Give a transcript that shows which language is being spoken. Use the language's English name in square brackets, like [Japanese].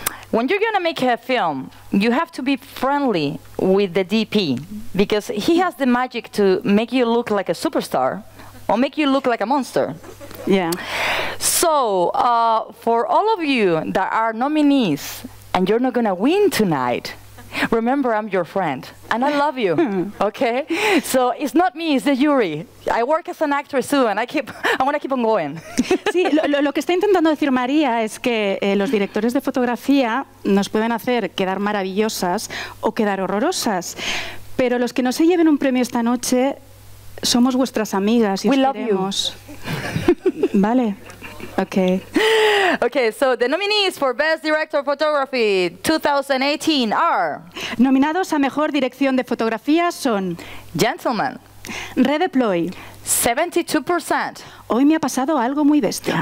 [English] When you're gonna make a film, you have to be friendly with the DP, because he has the magic to make you look like a superstar or make you look like a monster. Yeah. So, for all of you that are nominees and you're not gonna win tonight, remember I'm your friend and I love you, okay? So it's not me, it's the jury. I work as an actress too, and I wanna keep on going. [Spanish] Sí, lo que está intentando decir María es que los directores de fotografía nos pueden hacer quedar maravillosas o quedar horrorosas, pero los que no se lleven un premio esta noche somos vuestras amigas y [English] we [Spanish] os [English] love [Spanish] queremos. [English] You. Vale. Okay. Okay, so the nominees for Best Director of Photography 2018 are... [Spanish] Nominados a Mejor Dirección de Fotografía son... [English] Gentlemen. Redeploy. 72%. [Spanish] Hoy me ha pasado algo muy bestia.